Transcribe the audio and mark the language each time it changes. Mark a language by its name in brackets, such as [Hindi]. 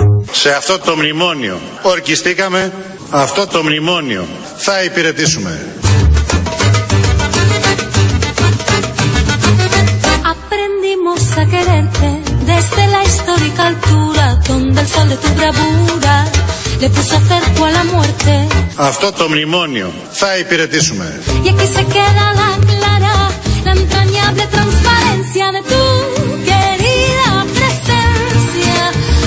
[Greek] Σε αυτό το μνημόνιο ορκιστήκαμε, αυτό το μνημόνιο θα υπηρετήσουμε. [Spanish] Aprendimos a quererte desde la histórica altura donde el sol de tu bravura le puso cerco a la muerte. [Greek] Αυτό το μνημόνιο θα υπηρετήσουμε. [Spanish] Y aquí se queda la clara, la entrañable transparencia de tu querida presencia.